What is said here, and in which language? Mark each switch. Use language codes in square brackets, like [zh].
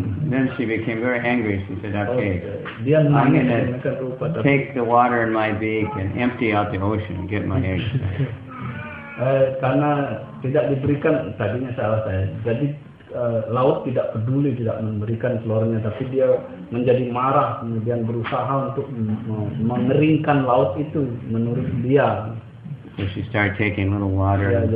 [en] Then she became very angry. She said, "Okay, [id] dia nangis, [en] I'm going to take the water in my beak and empty out the ocean and get my eggs." [id] Karena tidak diberikan tadinya salah saya. Jadi laut tidak peduli, tidak memberikan telurnya, tapi dia menjadi marah, kemudian berusaha untuk mengeringkan laut itu menurut dia. [en] So she started taking little water and